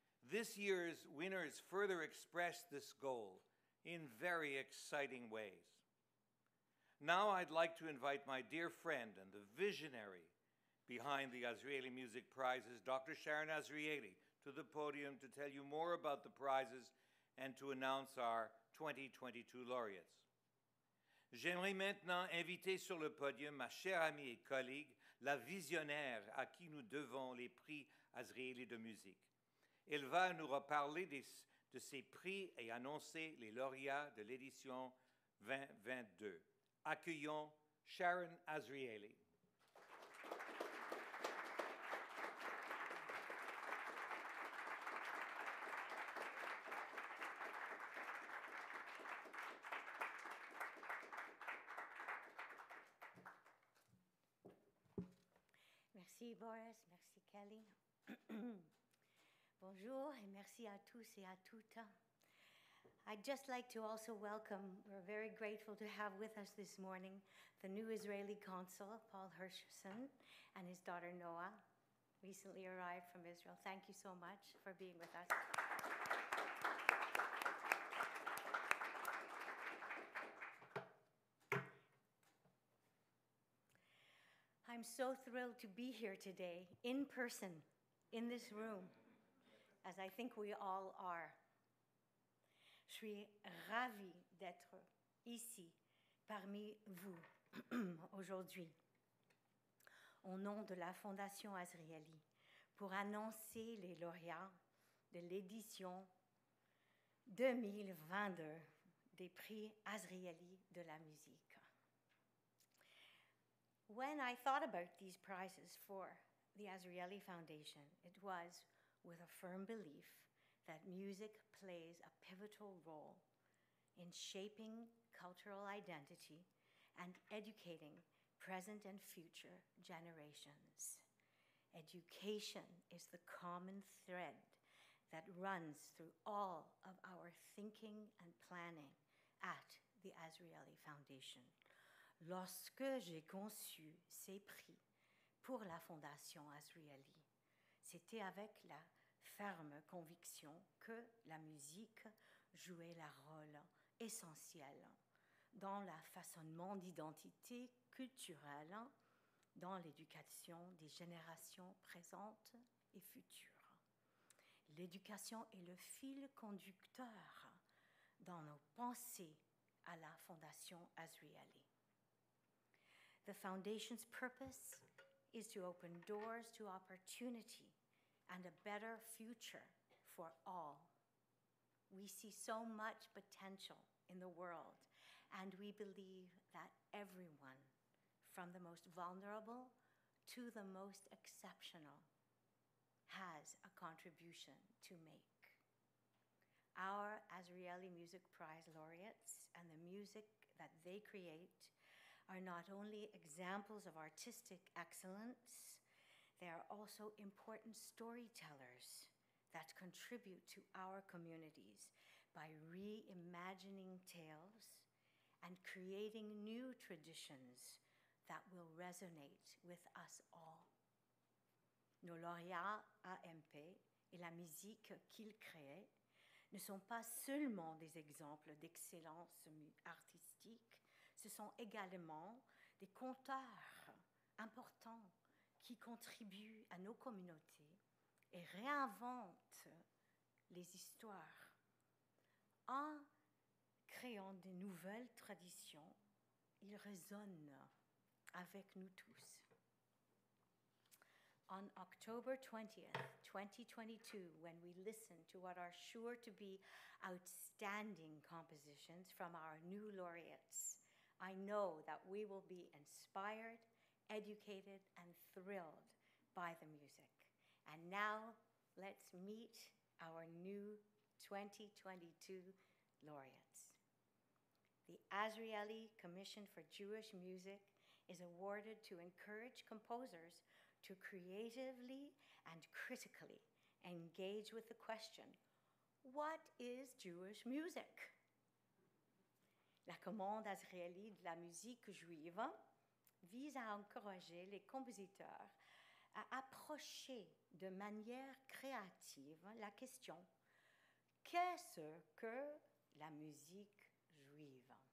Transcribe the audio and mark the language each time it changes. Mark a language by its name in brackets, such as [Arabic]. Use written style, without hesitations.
[English] This year's winners further expressed this goal in very exciting ways. Now I'd like to invite my dear friend and the visionary behind the Azrieli Music Prizes, Dr. Sharon Azrieli, to the podium to tell you more about the prizes and to announce our 2022 laureates. [French] J'aimerais maintenant inviter sur le podium ma chère amie et collègue, la visionnaire à qui nous devons les prix Azrieli de musique. Elle va nous reparler de ces prix et annoncer les lauréats de l'édition 2022. Accueillons Sharon Azrieli. Merci Boris, merci Kelly. Bonjour et merci à tous et à toutes. [English] I'd just like to also welcome, we're very grateful to have with us this morning, the new Israeli consul, Paul Hirschson, and his daughter Noah, recently arrived from Israel. Thank you so much for being with us. I'm so thrilled to be here today, in person, in this room, as I think we all are. [French] Je suis ravie d'être ici, parmi vous, aujourd'hui, au nom de la Fondation Azrieli, pour annoncer les lauréats de l'édition 2022 des prix Azrieli de la musique. [English] When I thought about these prizes for the Azrieli Foundation, it was with a firm belief that music plays a pivotal role in shaping cultural identity and educating present and future generations. Education is the common thread that runs through all of our thinking and planning at the Azrieli Foundation. [French] Lorsque j'ai conçu ces prix pour la Fondation Azrieli, c'était avec la ferme conviction que la musique jouait un rôle essentiel dans le façonnement d'identité culturelle, dans l'éducation des générations présentes et futures. L'éducation est le fil conducteur dans nos pensées à la Fondation Azrieli. [English] The Foundation's purpose is to open doors to opportunity and a better future for all. We see so much potential in the world, and we believe that everyone, from the most vulnerable to the most exceptional, has a contribution to make. Our Azrieli Music Prize laureates and the music that they create are not only examples of artistic excellence, they are also important storytellers that contribute to our communities by reimagining tales and creating new traditions that will resonate with us all. [French] Nos lauréats AMP et la musique qu'ils créent ne sont pas seulement des exemples d'excellence artistique, ce sont également des conteurs importants qui contribuent à nos communautés et réinventent les histoires en créant de nouvelles traditions. Ils résonnent avec nous tous. [English] On October 20th, 2022, when we listened to what are sure to be outstanding compositions from our new laureates, I know that we will be inspired, educated, and thrilled by the music. And now, let's meet our new 2022 laureates. The Azrieli Commission for Jewish Music is awarded to encourage composers to creatively and critically engage with the question, what is Jewish music? [French] La commande Azrieli de la musique juive vise à encourager les compositeurs à approcher de manière créative la question, qu'est-ce que la musique juive?